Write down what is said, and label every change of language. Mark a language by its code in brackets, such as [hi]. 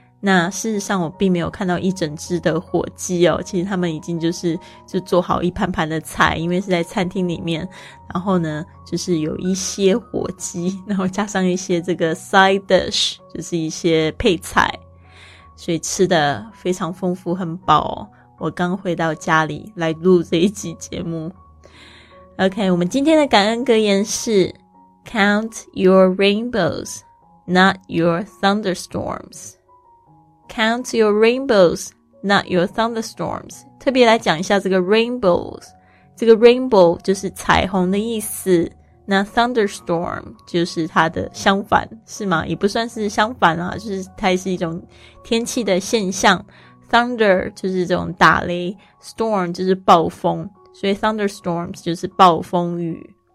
[zh] 那事实上我并没有看到一整只的火鸡哦，其实他们已经就做好一盘盘的菜，因为是在餐厅里面，然后呢就是有一些火鸡，然后加上一些这个 side dish， 就是一些配菜，所以吃的非常丰富很饱哦。我刚回到家里来录这一集节目。 [en] OK， [zh] 我们今天的感恩格言是 [en] Count your rainbows, not your thunderstormsCount your rainbows, not your thunderstorms. [zh] 特别来讲一下这个 rainbows， 这个 rainbow 就是彩虹的意思，那 thunderstorm 就是它的相反，是吗？也不算是相反啊，就是它是一种天气的现象。 thunder 就是这种打雷， storm 就是暴风，所以 thunderstorms 就是暴风雨。